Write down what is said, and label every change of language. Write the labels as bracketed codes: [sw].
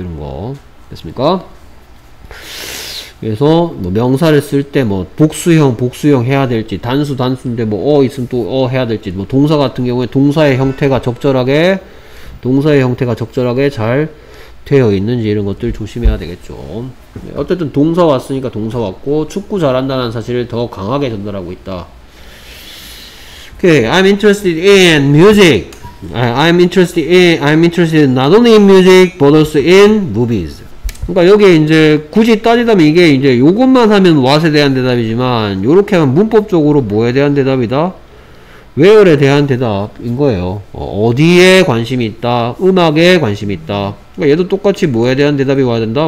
[ko] 이런 거 됐습니까? 그래서 뭐 명사를 쓸 때 뭐 복수형 해야 될지 단수인데 뭐 있으면 또 해야 될지 뭐 동사 같은 경우에 동사의 형태가 적절하게 잘 되어 있는지 이런 것들 조심해야 되겠죠. 어쨌든 동사 왔으니까 동사 왔고 축구 잘한다는 사실을 더 강하게 전달하고 있다. [en] Okay, I'm interested in music. I'm interested not only in music, but also in movies. [ko] 그러니까 여기에 이제 굳이 따지자면 이게 이제 이것만 하면 what에 대한 대답이지만 이렇게 하면 문법적으로 뭐에 대한 대답이다? where에 대한 대답인 거예요. 어디에 관심이 있다? 음악에 관심이 있다? 그러니까 얘도 똑같이 뭐에 대한 대답이 와야 된다?